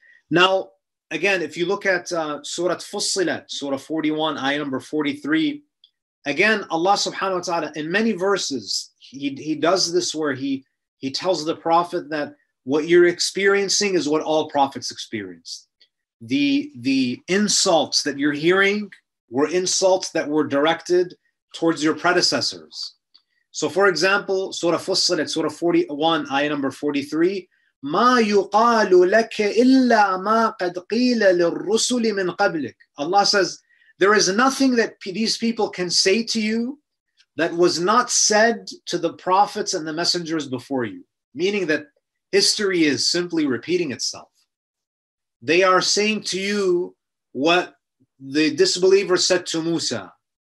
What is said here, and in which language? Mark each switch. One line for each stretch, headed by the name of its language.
English: Now, again, if you look at Surah Fussilat, Surah 41, Ayah number 43, again, Allah subhanahu wa ta'ala, in many verses, he does this where he tells the Prophet that what you're experiencing is what all prophets experienced. The insults that you're hearing were insults that were directed towards your predecessors. So for example, Surah Fussilat, Surah 41, Ayah number 43,
Arabic: مَا يُقَالُ لَكَ إِلَّا مَا قَدْ قِيلَ لِلرُّسُلِ مِنْ قَبْلِكَ.
English: Allah says, there is nothing that these people can say to you that was not said to the prophets and the messengers before you. Meaning that history is simply repeating itself. They are saying to you what the disbelievers said to Musa.